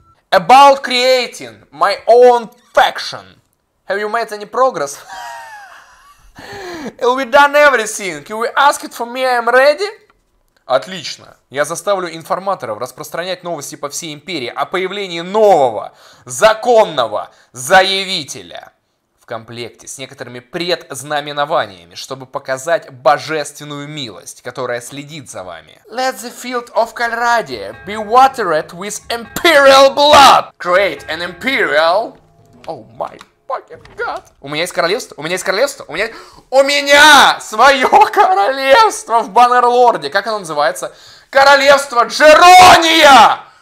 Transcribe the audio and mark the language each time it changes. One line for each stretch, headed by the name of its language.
English: About creating my own faction. Have you made any progress? Have we done everything? You will ask it for me, I am ready?
Russian: Отлично. Я заставлю информаторов распространять новости по всей империи о появлении нового законного заявителя. В комплекте с некоторыми предзнаменованиями, чтобы показать божественную милость, которая следит за вами.
English: Let the field of Calradia be watered with imperial blood. Create an imperial... Oh my fucking god.
Russian: У меня есть королевство? У меня есть королевство? У меня свое королевство в Баннерлорде. Как оно называется? Королевство Джерония!